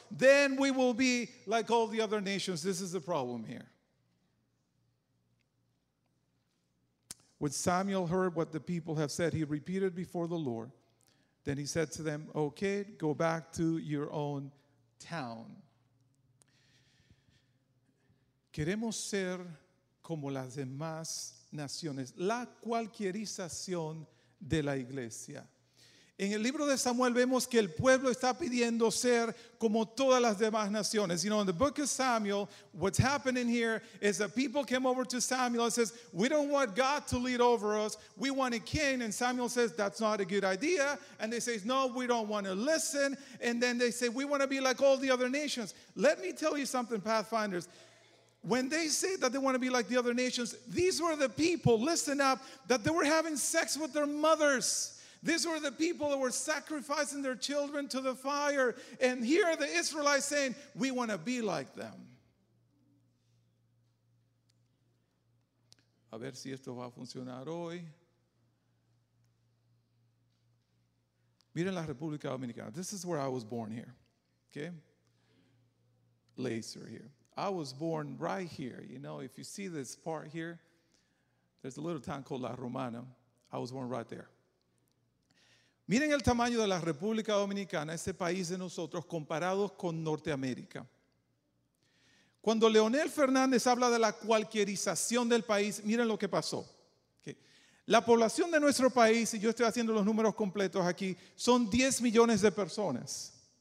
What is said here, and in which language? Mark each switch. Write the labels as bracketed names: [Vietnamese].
[English] Then we will be like all the other nations. This is the problem here. When Samuel heard what the people have said, he repeated before the Lord. Then he said to them, okay, go back to your own town. [Spanish] Queremos ser como las demás naciones, la cualquierización de la iglesia. En el libro de Samuel vemos que el pueblo está pidiendo ser como todas las demás naciones. [English] You know, in the book of Samuel, what's happening here is that people came over to Samuel and says, we don't want God to lead over us. We want a king. And Samuel says, that's not a good idea. And they say, no, we don't want to listen. And then they say, we want to be like all the other nations. Let me tell you something, Pathfinders. When they say that they want to be like the other nations, these were the people, listen up, that they were having sex with their mothers. These were the people that were sacrificing their children to the fire. And here are the Israelites saying, we want to be like them. [Spanish] A ver si esto va a funcionar hoy. Miren la República Dominicana. [English] This is where I was born here. Okay? Laser here. I was born right here. You know, if you see this part here, there's a little town called La Romana. I was born right there. [Spanish] Miren el tamaño de la República Dominicana, ese país de nosotros, comparados con Norteamérica. Cuando Leonel Fernández habla de la cualquierización del país, miren lo que pasó. La población de nuestro país, y yo estoy haciendo los números completos aquí, son 10 millones de personas.